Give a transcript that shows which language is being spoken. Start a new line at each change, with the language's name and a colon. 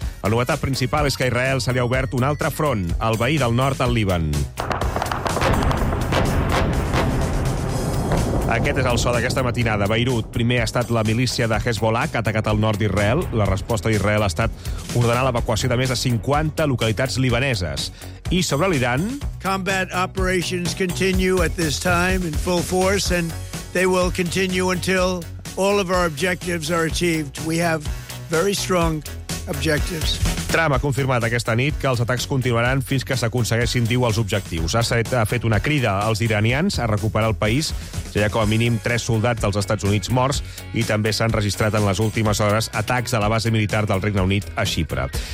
Catalan: La novetat principal és que a Israel se li ha obert un altre front, el veí del nord al Líban. Aquest és el so d'aquesta matinada. Beirut, primer ha estat la milícia de Hezbollah, que ha atacat el nord d'Israel. La resposta d'Israel ha estat ordenar l'evacuació de més de 50 localitats libaneses. I sobre l'Iran...
English: Combat operations continue at this time in full force, and they will continue until all of our objectives are achieved. We have very strong objectives.
Catalan: Trump ha confirmat aquesta nit que els atacs continuaran fins que s'aconsegueixin, diu, els objectius. Ha fet una crida als iranians a recuperar el país. Ja hi ha com a mínim 3 soldats dels Estats Units morts i també s'han registrat en les últimes hores atacs a la base militar del Regne Unit a Xipre.